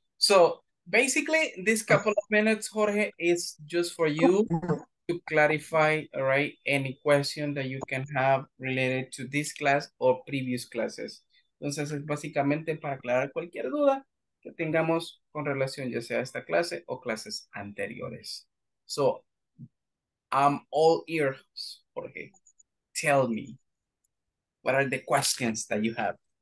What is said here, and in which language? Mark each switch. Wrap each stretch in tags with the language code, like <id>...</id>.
<en>So, basically, this couple of minutes, Jorge, is just for you to clarify, all right, any question that you can have related to this class or previous classes.</en> <es>Entonces, es básicamente para aclarar cualquier duda que tengamos con relación ya sea a esta clase o clases anteriores.</es> <en>So, I'm all ears, Jorge. Tell me, what are the questions that you have?</en>